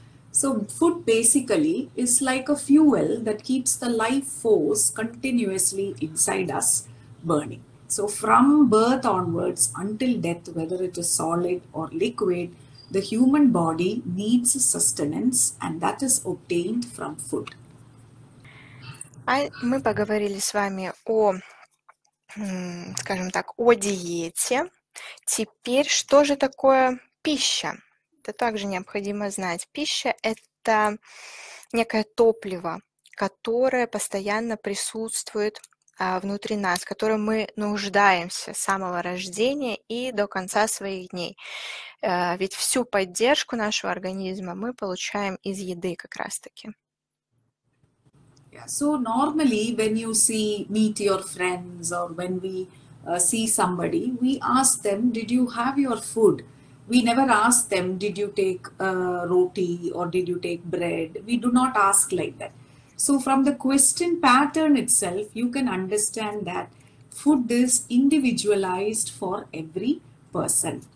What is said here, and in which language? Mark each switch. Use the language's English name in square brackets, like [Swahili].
[English] So food basically is like a fuel that keeps the life force continuously inside us burning. So from birth onwards until death, whether it is solid or liquid, the human body needs sustenance, and that is obtained from food. [Russian] Мы поговорили с вами о, скажем так, о диете. Теперь, что же такое пища? Это также необходимо знать. Пища – это некое топливо, которое постоянно присутствует внутри нас, которым мы нуждаемся с самого рождения и до конца своих дней. Ведь всю поддержку нашего организма мы получаем из еды как раз-таки. [English] So normally when you see meet your friends or when we see somebody, we ask them, did you have your food? We never ask them, did you take roti or did you take bread? We do not ask like that. So from the question pattern itself, you can understand that food is individualized for every person.